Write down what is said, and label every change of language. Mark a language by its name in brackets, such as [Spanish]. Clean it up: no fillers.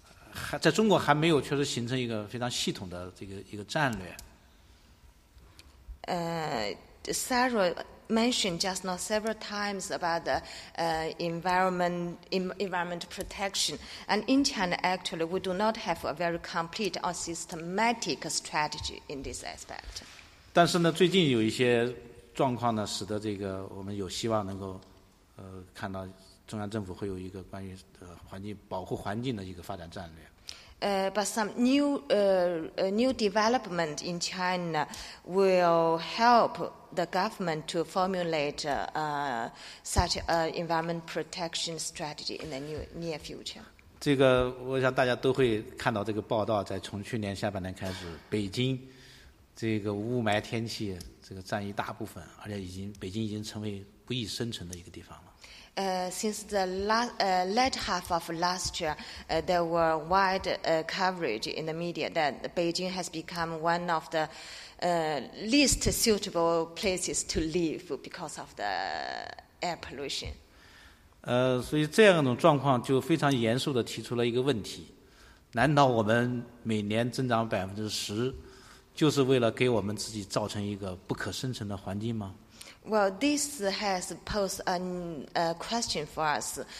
[Chinese] 还在中国还没有确实形成一个非常系统的这个一个战略。 [English] Sarah mentioned just now several times about the environment protection, and in China actually we do not have a very complete or systematic strategy in this aspect. [Chinese] 但是呢，最近有一些状况呢，使得这个我们有希望能够看到。中央政府会有一个关于环境保护环境的一个发展战略。 [English] But some new development in China will help the government to formulate such a environment protection strategy in the near future. [Chinese] 这个我想大家都会看到这个报道，在从去年下半年开始，北京这个雾霾天气这个占一大部分，而且北京已经成为不易生存的一个地方了。 [English] Since the late half of last year, there were wide coverage in the media that Beijing has become one of the least suitable places to live because of the air pollution. [Chinese] 所以这样一种状况就非常严肃地提出了一个问题：难道我们每年增长10%，就是为了给我们自己造成一个不可生存的环境吗？ [English] Well, this has posed a question for us.